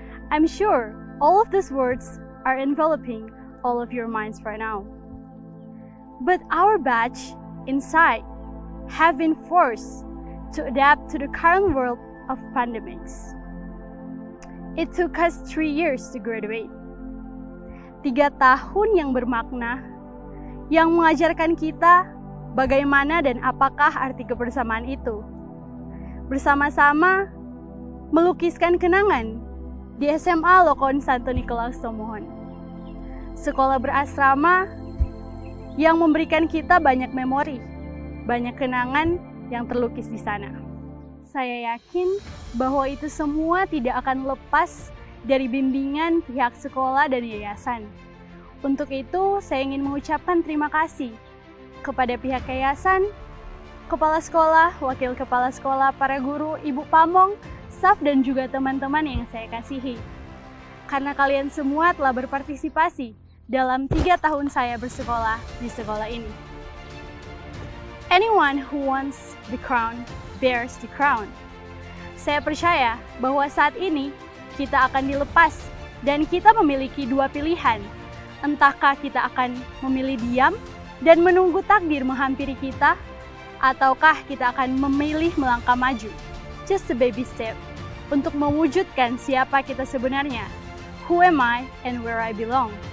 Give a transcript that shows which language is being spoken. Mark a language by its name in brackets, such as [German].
[English] I'm sure all of these words are enveloping all of your minds right now. But our batch inside have been forced to adapt to the current world of pandemics. It took us 3 years to graduate. [Indonesian] 3 tahun yang bermakna, yang mengajarkan kita bagaimana dan apakah arti kebersamaan itu. Bersama-sama melukiskan kenangan di SMA Lokon Santo Nikolaus Tomohon. Sekolah berasrama yang memberikan kita banyak memori, banyak kenangan yang terlukis di sana. Saya yakin bahwa itu semua tidak akan lepas dari bimbingan pihak sekolah dan yayasan. Untuk itu, saya ingin mengucapkan terima kasih kepada pihak yayasan, kepala sekolah, wakil kepala sekolah, para guru, ibu pamong, staf, dan juga teman-teman yang saya kasihi. Karena kalian semua telah berpartisipasi dalam 3 tahun saya bersekolah di sekolah ini. [English] Anyone who wants the crown bears the crown. [Indonesian] Saya percaya bahwa saat ini kita akan dilepas dan kita memiliki 2 pilihan. Entahkah kita akan memilih diam dan menunggu takdir menghampiri kita, ataukah kita akan memilih melangkah maju, [English] just a baby step, [Indonesian] untuk mewujudkan siapa kita sebenarnya, [English] who am I and where I belong.